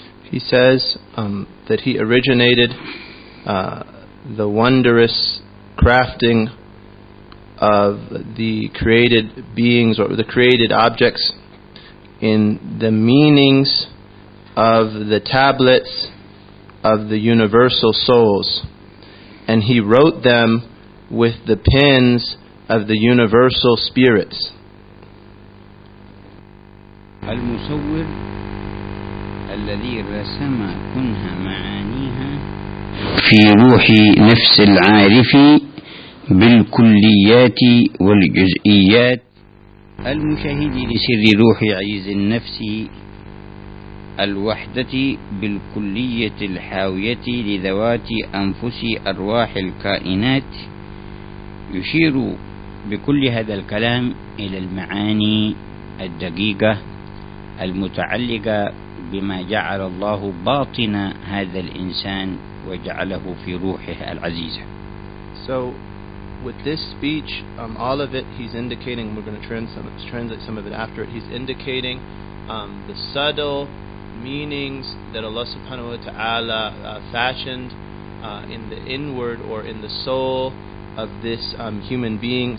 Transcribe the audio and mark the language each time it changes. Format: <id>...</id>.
<en>He says that he originated the wondrous crafting of the created beings or the created objects in the meanings of the tablets of the universal souls, and he wrote them with the pens of the universal spirits.</en> <ar>المصور الذي رسم كنها معانيها في روح نفس العارف بالكليات والجزئيات المشاهد لسر روح عز النفس الوحدة بالكلية الحاوية لذوات أنفس أرواح الكائنات يشير بكل هذا الكلام إلى المعاني الدقيقة المتعلقة بما جعل الله باطن هذا الإنسان وجعله في روحه العزيزة.</ar> <en>So with this speech, all of it, he's indicating, we're going to translate some of it after it, he's indicating the subtle meanings that Allah subhanahu wa ta'ala fashioned in the inward or in the soul of this human being.</en>